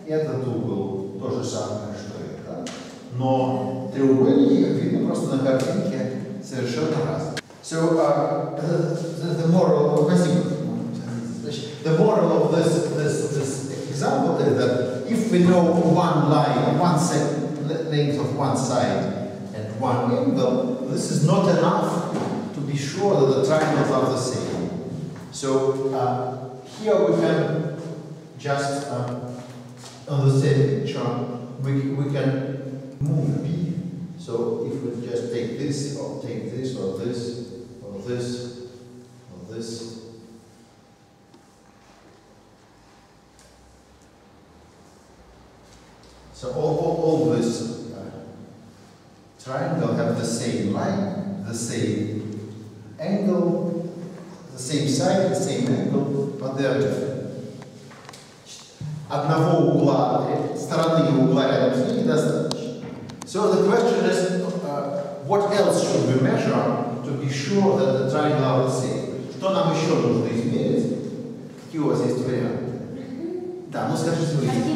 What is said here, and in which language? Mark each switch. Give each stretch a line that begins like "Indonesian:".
Russian: Этот угол то же самое, что и это. Но треугольники, как видно, просто на картинке совершенно разные.
English: So, the moral of this example is that if we know one line, one set length of one side and one angle, this is not enough to be sure that the triangles are the same. So, here we can just, on the same picture, we can move B. So, if we just take this, or take this, or this, or this, or this. So all this triangle have the same line, the same angle, the same side, the same angle, but they are different.
Russian: Одного угла, стороны угла рядом с ним недостаточно.
English: So the question is, what else should we measure to be sure that the triangle are the same?
Russian: Что нам еще нужно измерить? Какие у вас есть варианты? Да, ну скажите вы.